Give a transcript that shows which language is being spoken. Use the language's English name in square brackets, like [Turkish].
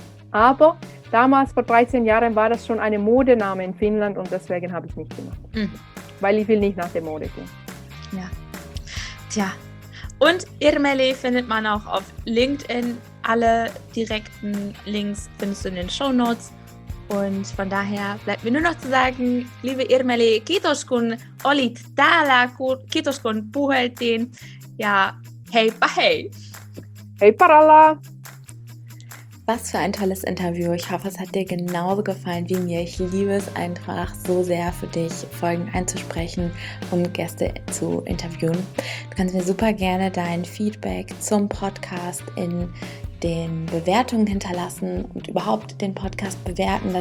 [German] Aber damals, vor 13 Jahren, war das schon eine Modename in Finnland und deswegen habe ich es nicht gemacht. Mhm. Weil ich will nicht nach der Mode gehen. Ja. Tja. Und Irmeli findet man auch auf LinkedIn. Alle direkten Links findest du in den Shownotes. Und von daher bleibt mir nur noch zu sagen, liebe Irmeli, [Finnish] kiitos kun olit täällä, kiitos kun puheltiin ja heippa hei. Hei paralla. [German] Was für ein tolles Interview. Ich hoffe, es hat dir genauso gefallen wie mir. Ich liebe es einfach so sehr, für dich Folgen einzusprechen und Gäste zu interviewen. Du kannst mir super gerne dein Feedback zum Podcast in den Bewertungen hinterlassen und überhaupt den Podcast bewerten.